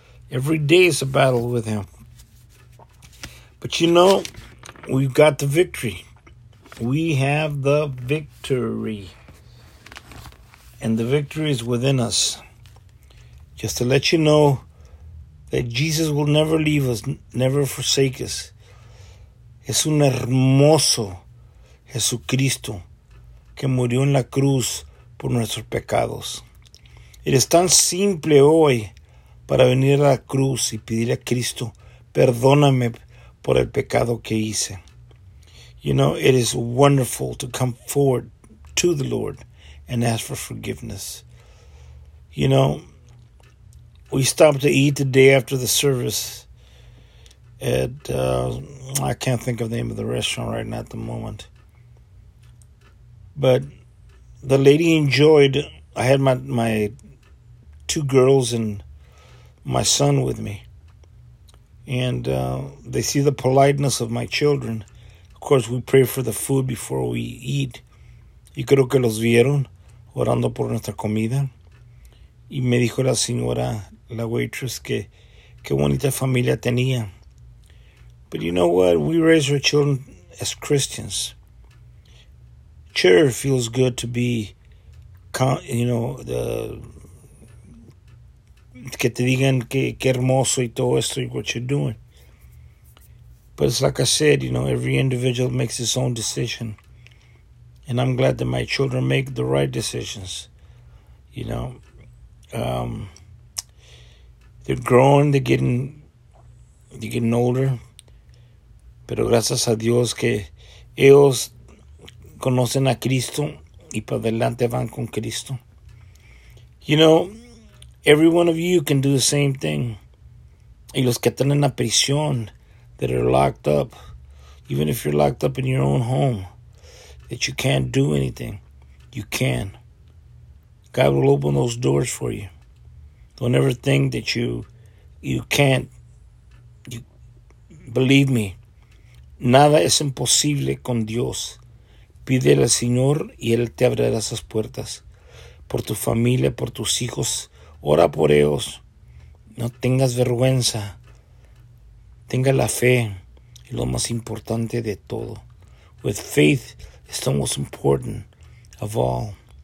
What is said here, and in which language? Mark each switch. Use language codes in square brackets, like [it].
[en] Every day is a battle with him. But you know, we've got the victory. We have the victory. And the victory is within us. Just to let you know that Jesus will never leave us, never forsake us. [es] Es un hermoso Jesucristo que murió en la cruz por nuestros pecados. [en] It is [es] tan simple hoy para venir a la cruz y pedir a Cristo, perdóname por el pecado que hice. [en] You know, it is wonderful to come forward to the Lord and ask for forgiveness. You know, we stopped to eat the day after the service at, I can't think of the name of the restaurant right now at the moment. But the lady enjoyed, I had my two girls and my son with me. And they see the politeness of my children. Of course, we pray for the food before we eat. [es] Y creo que los vieron orando por nuestra comida. Y me dijo la señora, la waitress, que qué bonita familia tenía. [en] But you know what? We raise our children as Christians. Sure, it feels good to be, you know, [es] que te digan que hermoso y todo esto y [en] what you're doing. But it's like I said, you know, every individual makes his own decision. And I'm glad that my children make the right decisions. You know, they're growing, they're getting older. [es] Pero gracias a Dios que ellos conocen a Cristo y para adelante van con Cristo. [en] You know, every one of you can do the same thing. [es] Y los que están en la prisión, [en] that are locked up, even if you're locked up in your own home, that you can't do anything, you can. God will open those doors for you. Don't ever think that you can't. You believe me, [es] nada es imposible con Dios. Pide al Señor y Él te abrirá esas puertas. Por tu familia, por tus hijos, ora por ellos. No tengas vergüenza. Tenga la fe, y lo más importante de todo. [en] With faith, it's the most important of all.